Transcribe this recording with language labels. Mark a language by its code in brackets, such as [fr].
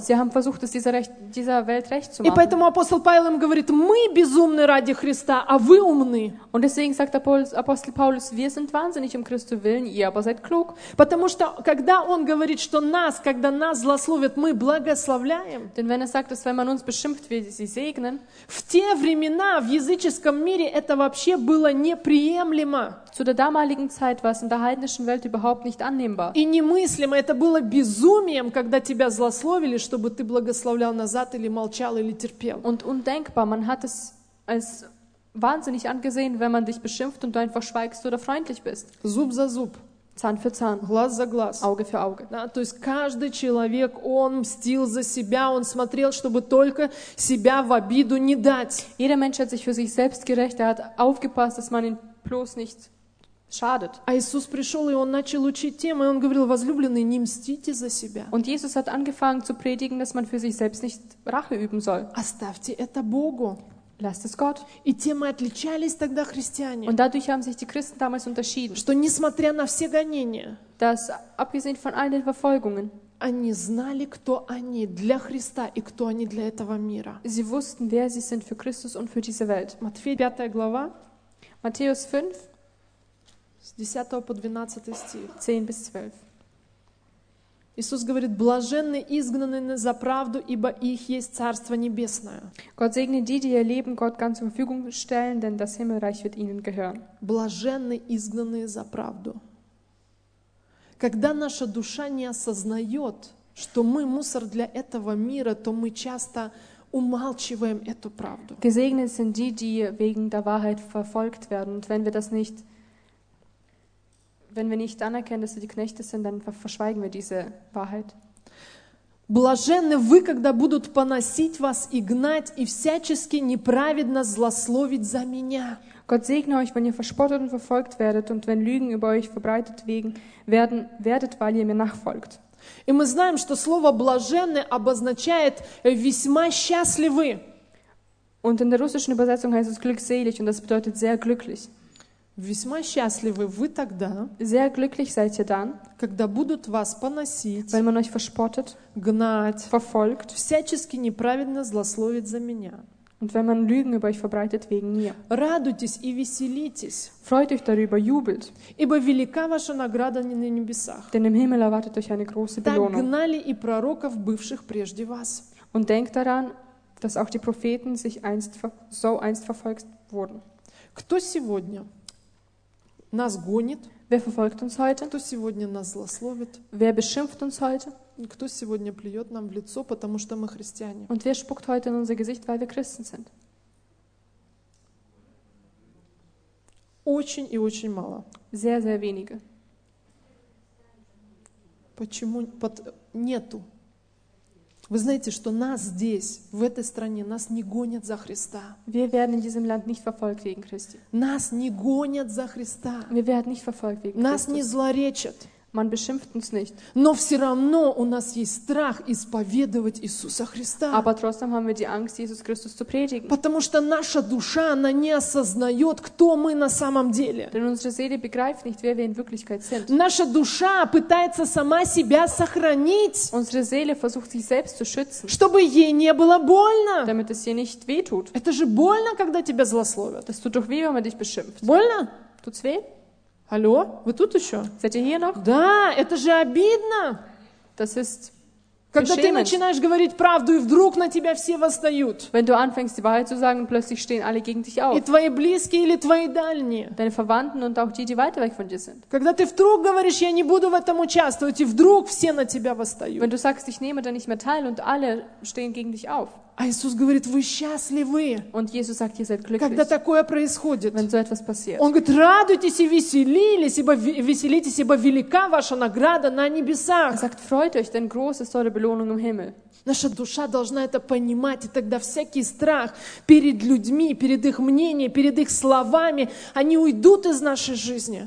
[de] Sie haben versucht, es dieser Welt recht zu machen. [ru] И поэтому апостол Павел им говорит, мы безумны ради Христа, а вы умны. [de] Und deswegen sagt Apostel Paulus, wir sind wahnsinnig um Christi willen, ihr aber seid klug. [ru] Потому что, когда он говорит, что нас, когда нас злословят, мы благословляем. [de] Denn wenn er sagt, dass wenn man uns beschimpft, wir sie segnen. [ru] В те времена, в языческом мире, это вообще было неприемлемо. [de] Zu der damaligen Zeit war es in der heidnischen Welt überhaupt nicht annehmbar. [ru] И немыслимо, это было безумием, когда тебя злословили, чтобы ты благословлял назад или молчал или терпел. [de] Und undenkbar, man hat es als wahnsinnig angesehen, wenn man dich beschimpft und du einfach schweigst oder freundlich bist. [ru] Зуб за зуб. [de] Zahn für Zahn. [ru] Глаз за глаз. [de] Auge für Auge. [ru] Да, то есть каждый человек, он мстил за себя, он смотрел, чтобы только себя в обиду не дать. [de] Jeder Mensch hat sich für sich selbst gerecht, er hat aufgepasst, dass man ihn bloß nicht schadet. [ru] А Иисус пришел, и он начал учить тем, и он говорил, возлюбленные, не мстите за себя. [de] Und Jesus hat angefangen zu predigen, dass man für sich selbst nicht Rache üben soll. [ru] Оставьте это Богу. [de] Lasst es Gott. [ru] И тем и отличались тогда христиане. [de] Und dadurch haben sich die Christen damals unterschieden. [ru] Что несмотря на все гонения, [de] dass abgesehen von all den Verfolgungen, [ru] они знали, кто они для Христа и кто они для этого мира. [de] Sie wussten, wer sie sind für Christus und für diese Welt. [ru] Матфея 5 глава. [de] Matthäus 5. [ru] С 10 по 12 стих. [de] 10-12. [ru] Иисус говорит, блаженны изгнанные за правду, ибо их есть Царство Небесное. [de] Gott segne die, die ihr Leben Gott ganz zur Verfügung stellen, denn das Himmelreich wird ihnen gehören. [ru] Блаженны изгнанные за правду. Когда наша душа не осознает, что мы мусор для этого мира, то мы часто умалчиваем эту правду. [de] Gesegnet sind die, die wegen der Wahrheit verfolgt werden. Und wenn wir das nicht Wenn wir nicht anerkennen, dass sie die Knechte sind, dann verschweigen wir diese Wahrheit. [ru] Блаженны вы, когда будут поносить вас и гнать и всячески неправедно злословить за меня. [de] Gott segne euch, wenn ihr verspottet und verfolgt werdet und wenn Lügen über euch verbreitet werden, weil ihr mir nachfolgt. [ru] И мы знаем, что слово «блаженны» обозначает «весьма счастливы». [de] Und in der russischen Übersetzung heißt es «glückselig», und das bedeutet «sehr glücklich». [ru] Весьма счастливы вы тогда, [de] sehr glücklich seid ihr dann, [ru] когда будут вас поносить, [de] wenn man euch verspottet, [ru] гнать, [de] verfolgt, [ru] всячески неправедно злословит за меня. [de] Und wenn man Lügen über euch verbreitet wegen mir. [ru] Радуйтесь и веселитесь. [de] Freut euch darüber, jubelt. [ru] Ибо велика ваша награда на небесах. [de] Denn im Himmel erwartet euch eine große Belohnung. [ru] Так гнали и пророков, бывших прежде вас. [de] Und denkt daran, dass auch die Propheten sich einst, so einst verfolgt wurden. [ru] Кто сегодня нас гонит? [de] Wer verfolgt uns heute? [ru] Кто сегодня нас злословит? [de] Wer beschimpft uns heute? [ru] Кто сегодня плюет нам в лицо, потому что мы христиане? [de] Und wer spuckt heute in unser Gesicht, weil wir Christen sind? [ru] Очень и очень мало. [de] Sehr, sehr wenige. [ru] Почему? Нету. Вы знаете, что нас здесь, в этой стране, нас не гонят за Христа. [de] Wir werden in diesem Land nicht verfolgt wegen Christi. [ru] Нас не гонят за Христа. [de] Wir werden nicht verfolgt wegen [ru] Christus. Нас не злоречат. [de] Man beschimpft uns nicht. [ru] Но все равно у нас есть страх исповедовать Иисуса Христа. [de] Aber trotzdem haben wir die Angst, Jesus Christus zu predigen. [ru] Потому что наша душа, она не осознает, кто мы на самом деле. [de] Denn unsere Seele begreift nicht, wer wir in Wirklichkeit sind. [ru] Наша душа пытается сама себя сохранить. [de] Unsere Seele versucht, sich selbst zu schützen. [ru] Чтобы ей не было больно. [de] Damit es ihr nicht wehtut. [ru] Это же больно, когда тебя злословят. [de] Das tut doch weh, wenn man dich beschimpft. [ru] Больно? [de] Tut's weh? [ru] Алло, вы тут еще? [de] Seid ihr hier noch? [ru] Да, это же обидно. [de] Das ist [ru] когда ты начинаешь говорить правду, и вдруг на тебя все восстают. [de] Wenn du anfängst, die Wahrheit zu sagen, plötzlich stehen alle gegen dich auf. [ru] И твои близкие или твои дальние. [de] Deine Verwandten und auch die, die weiter weg von dir sind. [ru] Когда ты вдруг говоришь, я не буду в этом участвовать, и вдруг все на тебя восстают. [de] Wenn du sagst, ich nehme da nicht mehr teil, und alle stehen gegen dich auf. [ru] А Иисус говорит, вы счастливы. [de] Und Jesus sagt, ihr seid glücklich. [ru] Когда такое происходит. [de] Wenn so etwas passiert. [ru] Он говорит, радуйтесь и веселитесь, ибо велика ваша награда на небесах. [de] Er sagt, freut euch, denn groß ist eure Belohnung im Himmel. [ru] Наша душа должна это понимать, и тогда всякий страх перед людьми, перед их мнением, перед их словами, они уйдут из нашей жизни.